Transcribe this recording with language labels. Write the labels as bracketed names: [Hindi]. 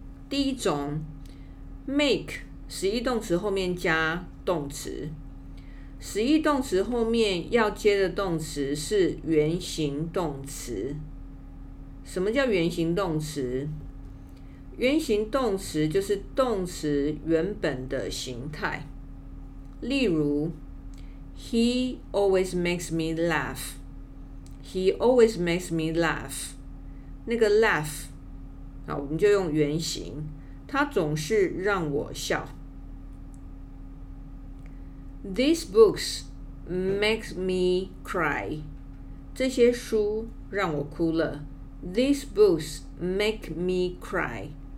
[Chinese] 第一种 make 实义动词后面加动词，实义动词后面要接的动词是原形动词。什么叫原形动词？原形动词就是动词原本的形态。例如 [English] He always makes me laugh. He always makes me laugh. [Chinese] 那个 laugh 好，我们就用原形，他总是让我笑。 [English] These books make me cry. [Chinese] 这些书让我哭了。 [English] These books make me cry.